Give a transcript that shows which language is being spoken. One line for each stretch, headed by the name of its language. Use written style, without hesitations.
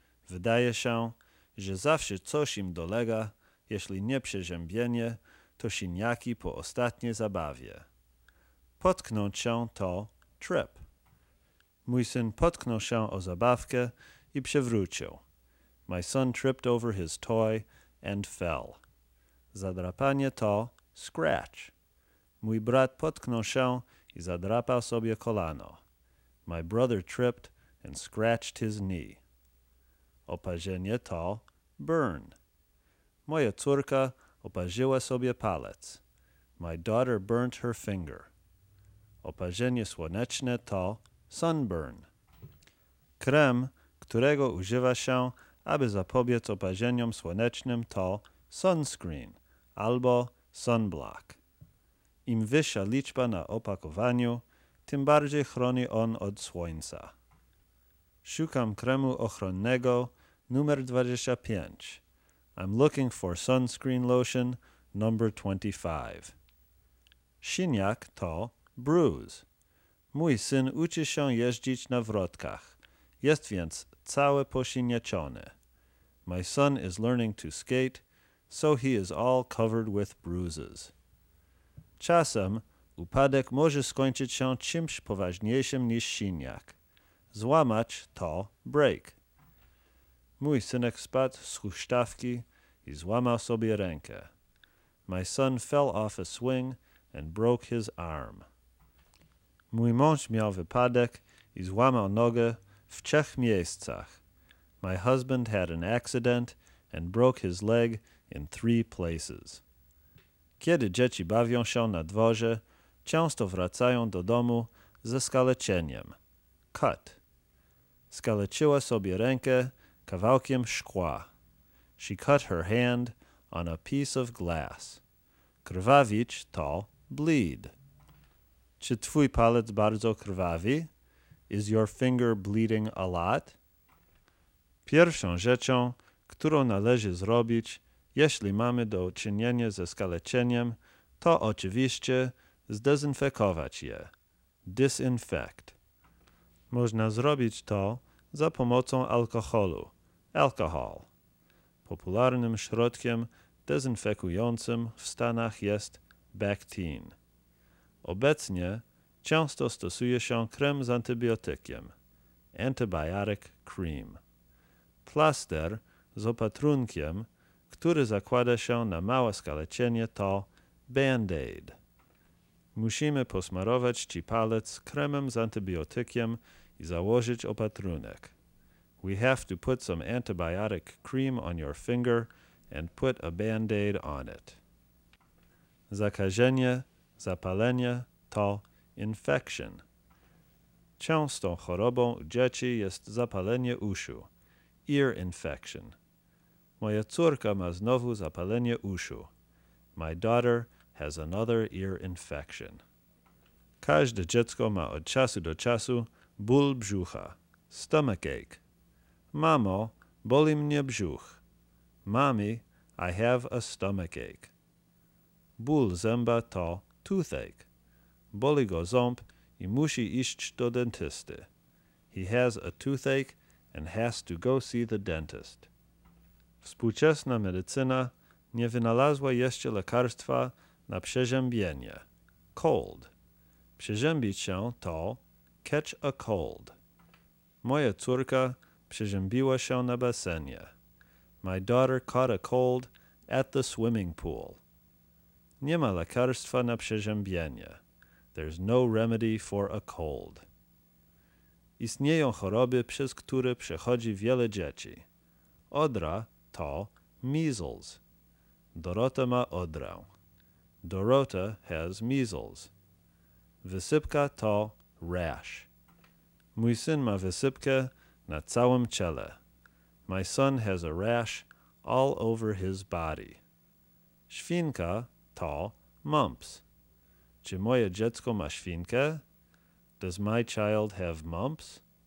Polish: Wydaje się, że zawsze coś im dolega, jeśli nie przeziębienie, to siniaki po ostatniej zabawie. Potknąć się to trip. Mój syn potknął się o zabawkę i przewrócił.
English: My son tripped over his toy and fell.
Polish: Zadrapanie to scratch. Mój brat potknął się i zadrapał sobie kolano.
English: My brother tripped and scratched his knee.
Polish: Oparzenie to burn. Moja córka oparzyła sobie palec.
English: My daughter burnt her finger.
Polish: Oparzenie słoneczne to sunburn. Krem, którego używa się, aby zapobiec oparzeniom słonecznym, to sunscreen albo sunblock. Im wyższa liczba na opakowaniu, tym bardziej chroni on od słońca. Szukam kremu ochronnego numer 25.
English: I'm looking for sunscreen lotion number 25.
Polish: Siniak to bruise. Mój syn uczy się jeździć na wrotkach. Jest więc cały posiniaczony.
English: My son is learning to skate, so he is all covered with bruises.
Polish: Czasem upadek może skończyć się czymś poważniejszym niż siniak. Złamać to break. Mój synek spadł z huśtawki i złamał sobie rękę.
English: My son fell off a swing and broke his arm.
Polish: Mój mąż miał wypadek i złamał nogę w trzech miejscach.
English: My husband had an accident and broke his leg in three places.
Polish: Kiedy dzieci bawią się na dworze, często wracają do domu ze skaleczeniem. Cut. Skaleczyła sobie rękę kawałkiem szkła.
English: She cut her hand on a piece of glass.
Polish: Krwawić to bleed. Czy twój palec bardzo krwawi?
English: Is your finger bleeding a lot?
Polish: Pierwszą rzeczą, którą należy zrobić, jeśli mamy do czynienia ze skaleczeniem, to oczywiście zdezynfekować je. Disinfect. Można zrobić to za pomocą alkoholu. Alcohol. Popularnym środkiem dezynfekującym w Stanach jest Bactine. Obecnie często stosuje się krem z antybiotykiem. Antibiotic cream. Plaster z opatrunkiem, który zakłada się na małe skaleczenie, to Band-Aid. Musimy posmarować ci palec kremem z antybiotykiem i założyć opatrunek.
English: We have to put some antibiotic cream on your finger and put a Band-Aid on it.
Polish: Zakażenie, zapalenie to infection. Częstą chorobą u dzieci jest zapalenie uszu. Ear infection. Moja córka ma znowu zapalenie uszu.
English: My daughter has another ear infection.
Polish: Każde dziecko ma od czasu do czasu ból brzucha. Stomach ache. Mamo, boli mnie brzuch.
English: Mommy, I have a stomach ache.
Polish: Ból zęba to
English: toothache.
Polish: Boli go ząb i musi iść do dentysty.
English: He has a toothache and has to go see the dentist.
Polish: Współczesna medycyna nie wynalazła jeszcze lekarstwa na przeziębienie. Cold. Przeziębić się to catch a cold. Moja córka przeziębiła się na basenie.
English: My daughter caught a cold at the swimming pool.
Polish: Nie ma lekarstwa na przeziębienie.
English: There's no remedy for a cold.
Polish: Istnieją choroby, przez które przechodzi wiele dzieci. Odra to measles. Dorota ma odrę.
English: Dorota has measles.
Polish: Wysypka to
English: rash.
Polish: Mój syn ma wysypkę na całym ciele.
English: My son has a rash all over his body.
Polish: Świnka to mumps. Czy moje dziecko ma świnkę?
English: Does my child have mumps?